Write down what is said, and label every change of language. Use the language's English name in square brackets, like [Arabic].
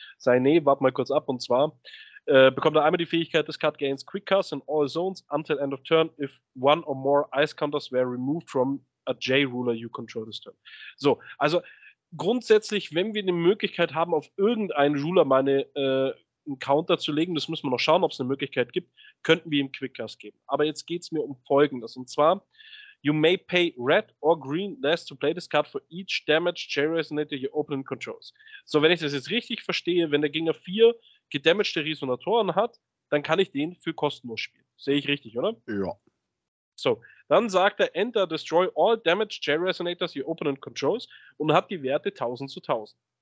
[German] Sei, nee, warte mal kurz ab. Und zwar bekommt er einmal die Fähigkeit des [English] Card Gains Quick Cast in all Zones until end of turn if one or more Ice Counters were removed from a J-Ruler you control this turn. [German] So, also grundsätzlich, wenn wir eine Möglichkeit haben, auf irgendeinen Ruler einen Counter zu legen, das müssen wir noch schauen, ob es eine Möglichkeit gibt, könnten wir ihm Quick Cast geben. Aber jetzt geht es mir um Folgendes. Und zwar, [English] you may pay red or green less to play this card for each damage J-Resonator you open and controls. [German] So, wenn ich das jetzt richtig verstehe, wenn der Gegner 4 gedamagte Resonatoren hat, dann kann ich den für kostenlos spielen. Sehe ich richtig, oder? Ja. So, dann sagt er, enter, [English] destroy all damaged J-Resonators you open and controls [German] und hat die Werte 1000 zu 1000.